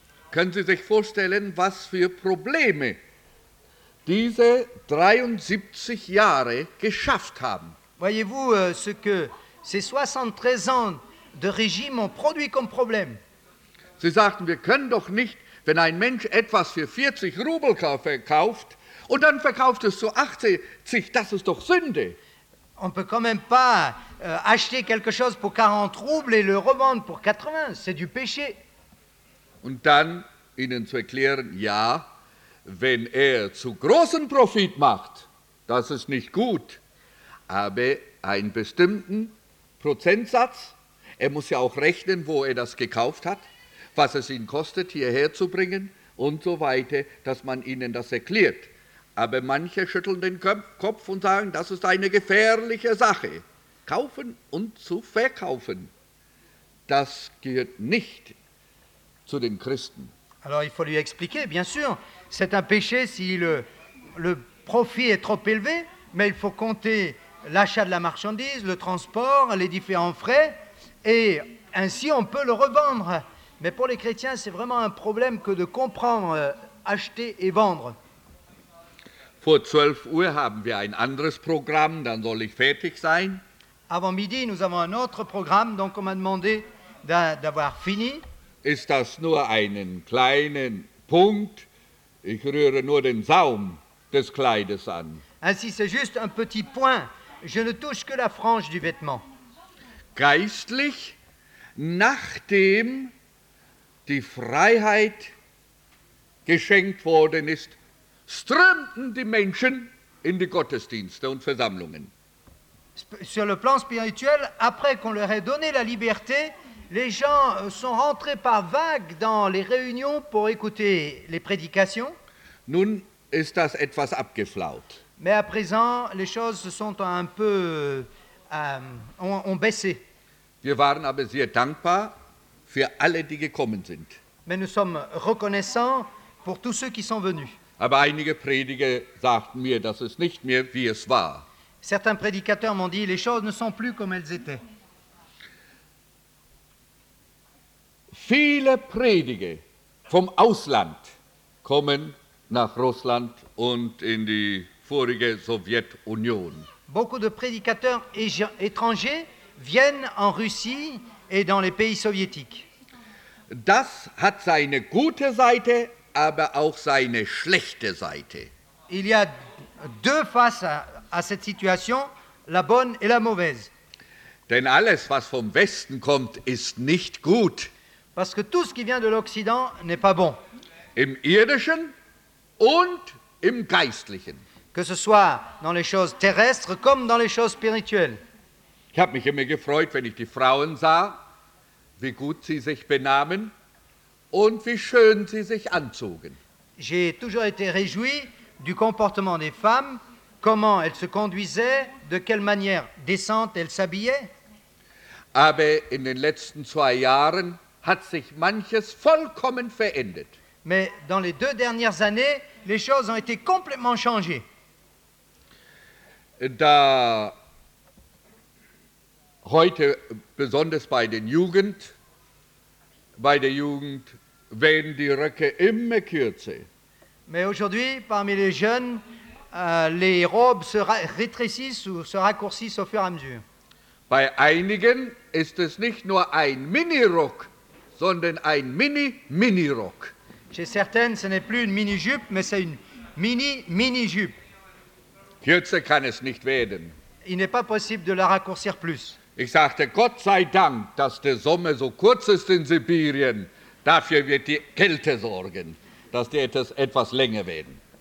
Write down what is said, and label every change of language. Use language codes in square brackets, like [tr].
[de] Können Sie sich vorstellen, was für Probleme diese 73 Jahre geschafft haben? [fr] Voyez-vous ce que ces 73 ans de régime ont produit comme problème? [de] Sie sagten, wir können doch nicht, wenn ein Mensch etwas für 40 Rubel verkauft und dann verkauft es zu 80, das ist doch Sünde. [fr] On peut quand même pas acheter quelque chose pour 40 roubles et le revendre pour 80, c'est du péché. [de] Und dann ihnen zu erklären, ja, wenn zu großen Profit macht, das ist nicht gut. Aber einen bestimmten Prozentsatz, muss ja auch rechnen, wo das gekauft hat, was es ihn kostet, hierher zu bringen und so weiter, dass man ihnen das erklärt. Aber manche schütteln den Kopf und sagen, das ist eine gefährliche Sache. Kaufen und zu verkaufen, das gehört nicht zu den Christen. [fr] Alors il faut lui expliquer, bien sûr, c'est un péché si le profit est trop élevé, mais il faut compter l'achat de la marchandise, le transport, les différents frais, et ainsi on peut le revendre. Mais pour les chrétiens, c'est vraiment un problème que de comprendre, acheter et vendre. [de] Vor 12 Uhr haben wir ein anderes Programm, dann soll ich fertig sein. [fr] Avant midi, nous avons un autre programme, donc on m'a demandé d'avoir fini. [de] Ist das nur einen kleinen Punkt? Ich rühre nur den Saum des Kleides an. [fr] Ainsi, c'est juste un petit point. Je ne touche que la frange du vêtement. [de] Geistlich, nachdem die Freiheit geschenkt worden ist, strömten die Menschen in die Gottesdienste und Versammlungen. [fr] Sur le plan spirituel, après qu'on leur ait donné la liberté, les gens sont rentrés par vagues dans les réunions pour écouter les prédications. [de] Nun ist das etwas abgeflaut. [fr] Mais à présent, les choses se sont un peu ont baissé. [de] Wir waren aber sehr dankbar für alle, die gekommen sind. [fr] Mais nous sommes reconnaissants pour tous ceux qui sont venus. [de] Aber einige Prediger sagten mir, dass es nicht mehr wie es war. [fr] Certains prédicateurs m'ont dit, les choses ne sont plus comme elles étaient. [de] Viele Prediger vom Ausland kommen nach Russland und in die vorige Sowjetunion. [fr] Beaucoup de prédicateurs étrangers viennent en Russie et dans les pays soviétiques. [de] Das hat seine gute Seite, aber auch seine schlechte Seite. [fr] Il y a deux faces à cette situation, la bonne et la mauvaise. [de] Denn alles, was vom Westen kommt, ist nicht gut. [fr] Parce que tout ce qui vient de l'Occident n'est pas bon. [de] Im Irdischen und im Geistlichen. [fr] Que ce soit dans les choses terrestres comme dans les choses spirituelles. [de] Ich habe mich immer gefreut, wenn ich die Frauen sah, wie gut sie sich benahmen und wie schön sie sich anzogen. [fr] J'ai toujours été réjoui du comportement des femmes, comment elles se conduisaient, de quelle manière décente elles s'habillaient. [de] Aber in den letzten zwei Jahren hat sich manches vollkommen verändert. [fr] Mais dans les deux dernières années, les choses ont été complètement changées. [de] Da heute besonders bei der Jugend werden die Röcke immer kürzer. [fr] Mais aujourd'hui, parmi les jeunes, les robes se rétrécissent ou se raccourcissent au fur et à mesure. [de] Bei einigen ist es nicht nur ein Mini-Rock, sondern ein Mini-Mini-Rock. [fr] Chez certaines, ce n'est plus une mini-jupe, mais c'est une mini-mini-jupe. [de] Kürzer kann es nicht werden. [fr] Il n'est pas possible de la raccourcir plus. [de] Ich sagte, Gott sei Dank, dass der Sommer so kurz ist in Sibirien. Dafür wird die Kälte sorgen, dass die etwas länger werden.